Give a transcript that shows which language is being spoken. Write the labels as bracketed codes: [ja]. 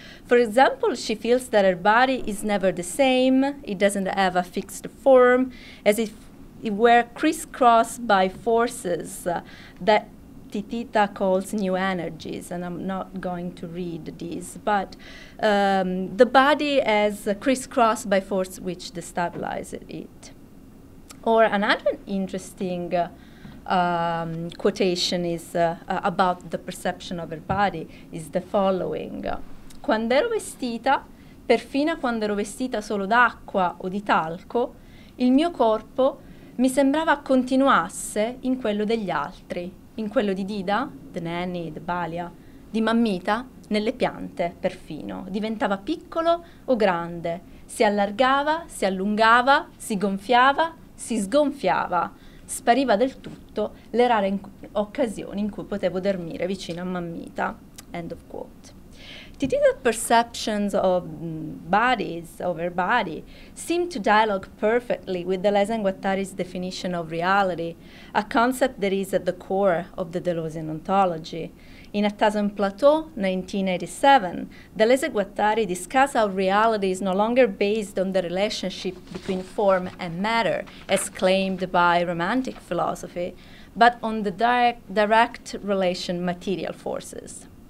[en] For example, she feels that her body is never the same, it doesn't have a fixed form, as if it were crisscrossed by forces that Titita calls new energies, and I'm not going to read these, but the body is crisscrossed by force which destabilizes it. Or another interesting quotation is about the perception of her body, is the following. [it] Quando ero vestita, perfino quando ero vestita solo d'acqua o di talco, il mio corpo mi sembrava continuasse in quello degli altri. In quello di Dida, [en] the nanny, [it] the balia, di mammita, nelle piante perfino. Diventava piccolo o grande, si allargava, si allungava, si gonfiava, si sgonfiava. Spariva del tutto le rare occasioni in cui potevo dormire vicino a mammita. [en] End of quote. Titita's perceptions of bodies, of her body, seem to dialogue perfectly with Deleuze and Guattari's definition of reality, a concept that is at the core of the Deleuzean ontology. In A Thousand Plateaux, 1987, Deleuze and Guattari discuss how reality is no longer based on the relationship between form and matter, as claimed by Romantic philosophy, but on the direct relation material forces.